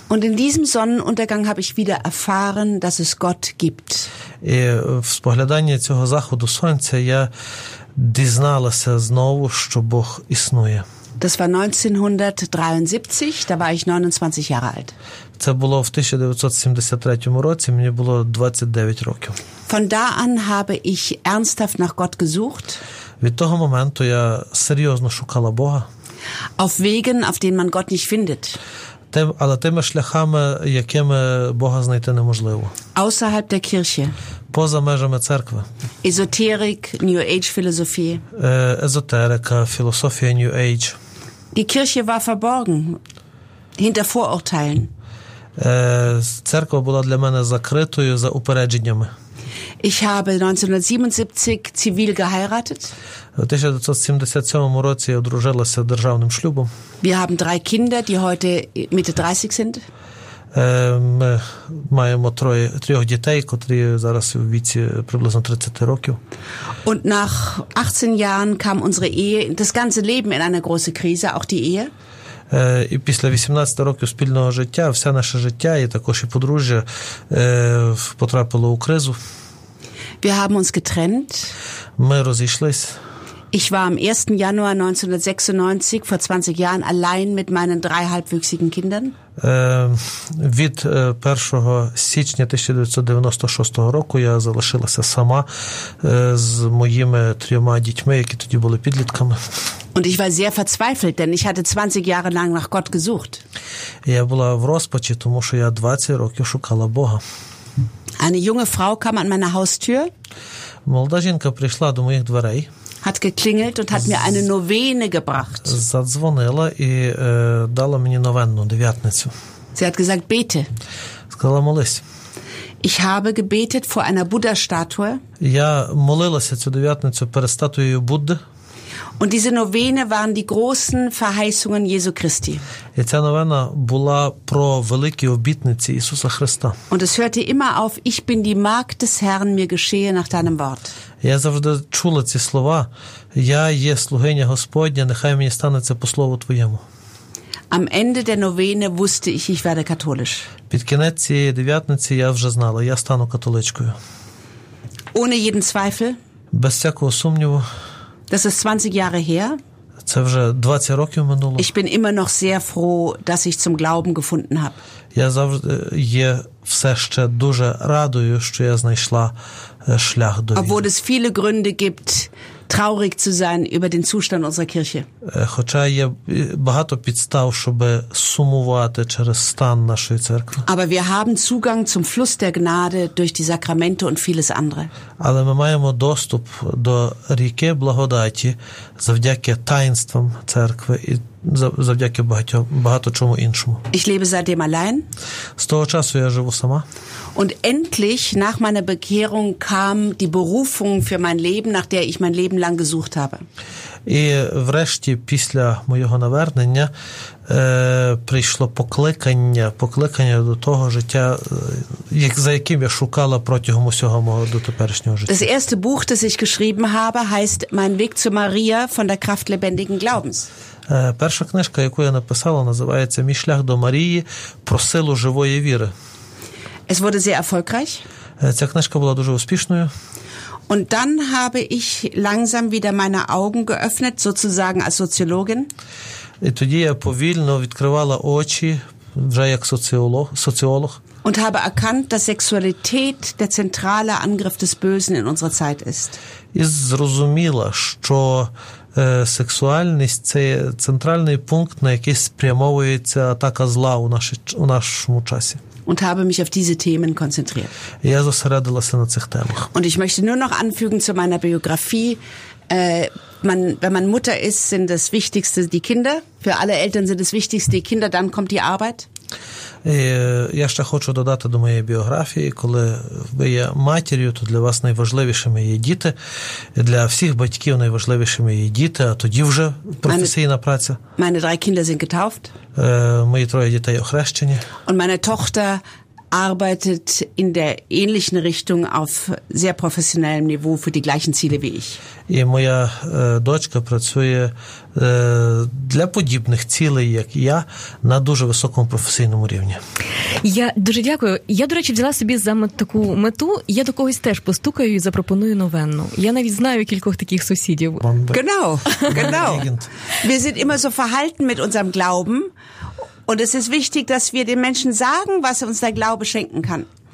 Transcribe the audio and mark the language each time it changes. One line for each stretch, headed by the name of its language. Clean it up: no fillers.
German: Und in diesem Sonnenuntergang habe ich wieder erfahren, dass es Gott gibt.
Ukrainian: І в спогляданні цього заходу сонця я дізналася знову, що Бог існує.
German: Das war 1973, da war ich 29 Jahre alt.
Ukrainian: Це було в 1973 році, мені було 29 років.
German: Von da an habe ich ernsthaft nach Gott gesucht.
Ukrainian: Від того моменту я серйозно шукала Бога.
German: Auf Wegen, auf denen man Gott nicht findet.
Ukrainian: Але тими шляхами, якими Бога знайти неможливо.
German: Außerhalb der Kirche.
Ukrainian: Поза межами церкви.
German: Esoterik, New Age Philosophie.
Ukrainian: Езотерика, філософія New Age.
German: Die Kirche war verborgen hinter Vorurteilen.
Ukrainian: Церква була для мене закритою за упередженнями.
German: Ich habe 1977 zivil geheiratet.
Ukrainian: У 1977 році я одружилася державним шлюбом.
German: Wir haben drei Kinder, die heute Mitte 30 sind.
Ukrainian: Ми маємо трьох дітей, котрі зараз у віці приблизно 30 років.
German: Und nach 18 Jahren kam unsere Ehe, das ganze Leben in eine große Krise, auch die Ehe.
Ukrainian: І після 18 років спільного життя, все наше життя і також і подружжя потрапило у кризу.
German: Wir haben uns getrennt.
Ukrainian: Ми розійшлись.
German: Ich war am 1. Januar 1996, vor 20 Jahren, allein mit meinen drei halbwüchsigen Kindern.
Ukrainian: Від 1 січня 1996 року я залишилася сама з моїми трьома дітьми, які тоді були підлітками.
German: Und ich war sehr verzweifelt, denn ich hatte 20 Jahre lang nach Gott gesucht.
Ukrainian: Я була в розпачі, тому що я 20 років шукала Бога.
German: Eine junge Frau kam an meine Haustür.
Ukrainian: Молода жінка прийшла до моїх дверей.
German: Hat geklingelt und hat mir eine Novene gebracht.
Ukrainian: Задзвонила і дала мені новенну, дев'ятницю.
German: Sie hat gesagt, bete.
Ukrainian: Сказала, молись.
German: Ich habe gebetet vor einer Buddha-Statue.
Ukrainian: Я молилася цю дев'ятницю перед статуєю Будди.
German: Und diese Novene waren die großen Verheißungen Jesu Christi.
Ukrainian: І ця новена була про великі обітниці Ісуса Христа.
German: Und es hörte immer auf, ich bin die Magd des Herrn, mir geschehe nach deinem Wort.
Ukrainian: Я завжди чула ці слова. Я є слугиня Господня, нехай мені станеться по слову Твоєму.
German: Am Ende der Novene wusste ich, ich werde katholisch.
Ukrainian: Під кінець цієї дев'ятниці я вже знала, я стану католичкою.
German: Ohne jeden Zweifel.
Ukrainian: Без всякого сумніву.
German: Das ist 20 Jahre her.
Ukrainian: Це вже 20 років минуло.
German: Ich bin immer noch sehr froh, dass ich zum Glauben gefunden habe.
Ukrainian: Я завжди є все ще дуже радую, що я знайшла шлях до Бога.
German: Obwohl es viele Gründe gibt, traurig zu sein über den Zustand unserer Kirche.
Ukrainian: Хоча є багато підстав, щоб сумувати через стан нашої церкви.
German: Aber wir haben Zugang zum Fluss der Gnade durch die Sakramente und vieles andere.
Ukrainian: Але ми маємо доступ до ріки благодаті завдяки таїнствам церкви і завдяки багато чому іншому.
German: Ich lebe seitdem allein.
Ukrainian: З того часу я живу сама.
German: Und endlich, nach meiner Bekehrung, kam die Berufung für mein Leben, nach der ich mein Leben lang gesucht habe.
Ukrainian: І врешті, після моєго навернення, прийшло покликання до того життя, за яким я шукала протягом усього мого дотеперішнього життя.
German: Das erste Buch, das ich geschrieben habe, heißt «Mein Weg zu Maria von der Kraft lebendigen Glaubens».
Ukrainian: Перша книжка, яку я написала, називається «Мій шлях до Марії про силу живої віри».
German: Es wurde sehr erfolgreich.
Ukrainian: Ця книжка була дуже успішною.
German: Und dann habe ich langsam wieder meine Augen geöffnet, sozusagen als Soziologin.
Ukrainian: І тоді я повільно відкривала очі, вже як соціолог.
German: Und habe erkannt, dass Sexualität der zentrale Angriff des Bösen in unserer Zeit ist.
Ukrainian: І зрозуміла, що сексуальність – це центральний пункт, на який спрямовується атака зла у нашому часі.
German: Und habe mich auf diese Themen konzentriert.
Ukrainian: Я зосередилася на цих темах.
German: Und ich möchte nur noch anfügen zu meiner Biografie. Wenn man Mutter ist, sind das Wichtigste die Kinder. Für alle Eltern sind das Wichtigste die Kinder, dann kommt die Arbeit.
Ukrainian: Я ще хочу додати до моєї біографії, коли ви є матір'ю, то для вас найважливішими є діти, для всіх батьків найважливішими є діти, а тоді вже професійна праця.
German: Meine drei Kinder sind getauft.
Ukrainian: Мої троє дітей охрещені.
German: Und meine Tochter arbeitet in der ähnlichen Richtung auf sehr professionellem Niveau für die gleichen Ziele wie ich.
Ukrainian: І моя дочка працює для подібних цілей, як я, на дуже високому професійному рівні. Я дуже дякую. Я, до речі, взяла собі за таку мету. Я до когось теж постукаю і запропоную новенну. Я навіть знаю кількох таких сусідів.
German: Genau, genau. Wir sind immer so verhalten mit unserem Glauben. Und es ist wichtig, dass wir den Menschen sagen, was uns der Glaube schenken kann.